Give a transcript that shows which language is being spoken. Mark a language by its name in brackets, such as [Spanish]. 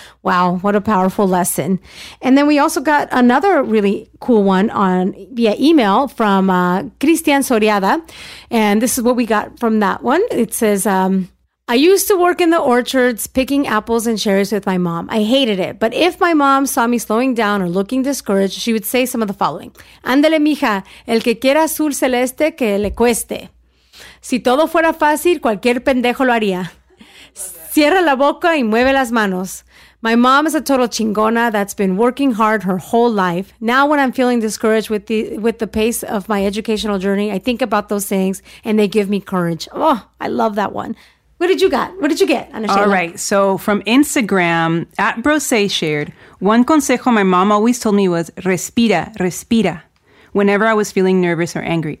[English] Wow, what a powerful lesson. And then we also got another really cool one on via email from Cristian Soriada. And this is what we got from that one. It says, I used to work in the orchards picking apples and cherries with my mom. I hated it. But if my mom saw me slowing down or looking discouraged, she would say some of the following. [Spanish] Ándale, mija, el que quiera azul celeste, que le cueste. Si todo fuera fácil, cualquier pendejo lo haría. Cierra la boca y mueve las manos. [English] My mom is a total chingona that's been working hard her whole life. Now when I'm feeling discouraged with the pace of my educational journey, I think about those things and they give me courage. Oh, I love that one. What did you got? What did you get? Anishayla? All right. So from Instagram, @brose shared, one consejo my mom always told me was [Spanish] respira, respira, [English] whenever I was feeling nervous or angry.